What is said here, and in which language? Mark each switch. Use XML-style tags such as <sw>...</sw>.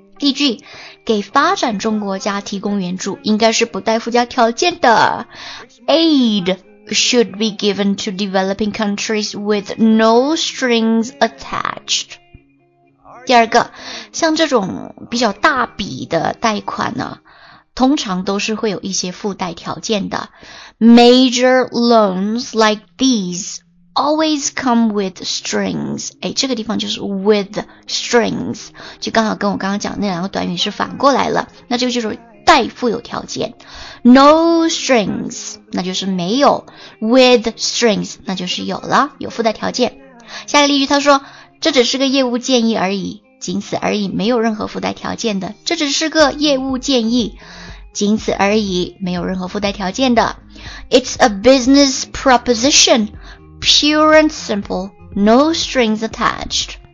<zh>例句，给发展中国家提供援助应该是不带附加条件的。</zh> <en>Aid should be given to developing countries with no strings attached。</en> <zh>第二个，像这种比较大笔的贷款呢，通常都是会有一些附带条件的。</zh> <en>Major loans like these always come with strings。</en> <zh>诶，这个地方就是 with strings， 就刚好跟我刚刚讲的那两个短语是反过来了，那这个就是带附有条件。 No strings 那就是没有， with strings 那就是有了，有附带条件。下一个例句，他说这只是个业务建议而已，仅此而已，没有任何附带条件的。这只是个业务建议，仅此而已，没有任何附带条件的。</zh> <en>It's a business propositionPure and simple, no strings attached.</en>